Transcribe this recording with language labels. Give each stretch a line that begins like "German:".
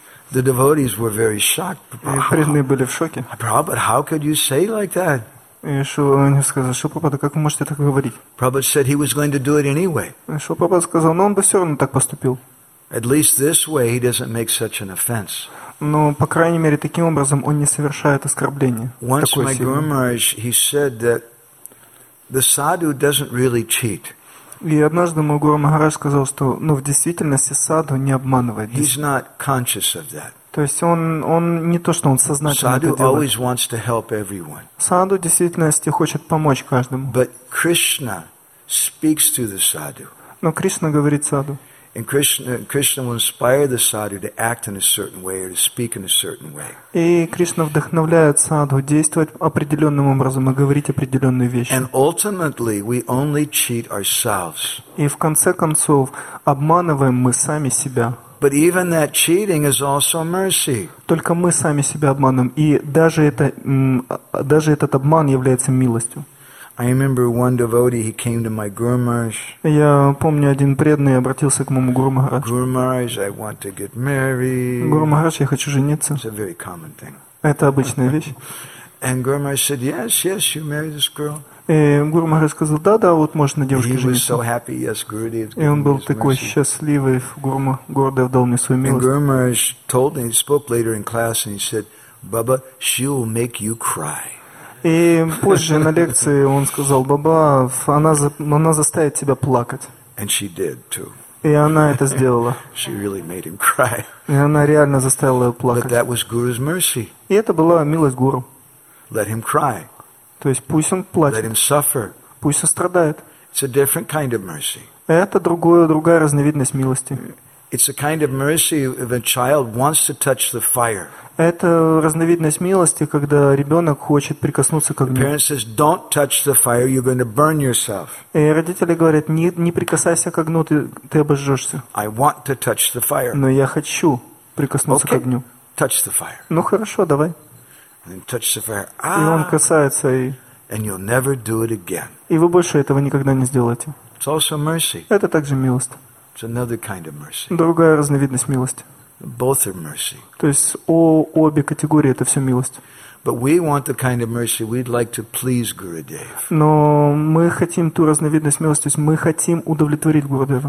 English: The devotees were very shocked.
Russian: Преданные были в шоке.
English: Prabhupada, how could you say like that?
Russian: И они сказали, что Прабхупада, как вы можете так говорить?
English: Prabhupada said he was going to do it anyway.
Russian: Что Прабхупада сказал, но он бы все равно так поступил.
English: At least this way he doesn't make such an offense.
Russian: Но, по крайней мере, таким образом он не совершает оскорбления.
English: Once my Guru Maharaj, he said that the sadhu doesn't really cheat.
Russian: И однажды мой Гуру Махарадж сказал, что, ну, в действительности садху не обманывает.
English: He's not conscious of that.
Russian: То есть он не то, что он сознательно это делает.
English: Sadhu always wants to help everyone.
Russian: Садху в действительности хочет помочь каждому.
English: But Krishna speaks to the sadhu.
Russian: Но Кришна говорит садху.
English: And Krishna will inspire the sadhu to act in a certain way or to speak in a certain way.
Russian: И Кришна вдохновляет садху действовать определенным образом и говорить определенные вещи.
English: And ultimately, we only cheat ourselves.
Russian: И в конце концов обманываем мы сами себя.
English: But even that cheating is also mercy.
Russian: Только мы сами себя обманываем, и даже этот обман является милостью.
English: I remember one devotee, he came to my Guru Maharaj.
Russian: Я помню, один преданный обратился к моему Гуру Махараджу.
English: Guru Maharaj, I want to get married.
Russian: Гуру Махарадж, я хочу жениться.
English: It's a very common thing.
Russian: Это обычная вещь.
English: And Guru Maharaj said, yes, yes, you marry this girl.
Russian: И Гуру Махарадж сказал, да, да, вот можно девушке жениться.
English: He was so happy, yes, Gurudev.
Russian: И он был такой счастливый, Гурудев дал мне свою милость.
English: And Guru Maharaj told me, he spoke later in class, and he said, Baba, she will make you cry.
Russian: И позже на лекции он сказал, Баба, она заставит тебя плакать.
English: And she did too.
Russian: И она это сделала.
English: She really made him cry.
Russian: И она реально заставила его плакать.
English: But that was Guru's mercy.
Russian: И это была милость Гуру.
English: Let him cry.
Russian: То есть пусть он плачет.
English: Let him suffer.
Russian: Пусть он страдает.
English: It's a different kind of mercy.
Russian: Это другая разновидность милости.
English: It's a kind of mercy if a child wants to touch the fire.
Russian: Это разновидность милости, когда ребенок хочет прикоснуться к огню.
English: The parent says, "Don't touch the fire; you're going to burn yourself."
Russian: И родители говорят: не прикасайся к огню, ты обожжешься.
English: I want to touch the fire.
Russian: Но я хочу прикоснуться
English: okay.
Russian: к огню.
English: Touch the fire.
Russian: Ну хорошо, давай.
English: And touch the fire.
Russian: И он касается и.
English: And you'll never do it again.
Russian: И вы больше этого никогда не сделаете.
English: It's also mercy.
Russian: Это также милость.
English: It's another kind of mercy.
Russian: Другая разновидность милости.
English: Both are mercy.
Russian: То есть обе категории это все милость.
English: But we want the kind of mercy we'd like to please Gurudev.
Russian: Но мы хотим ту разновидность милости, то есть мы хотим удовлетворить Гурудева.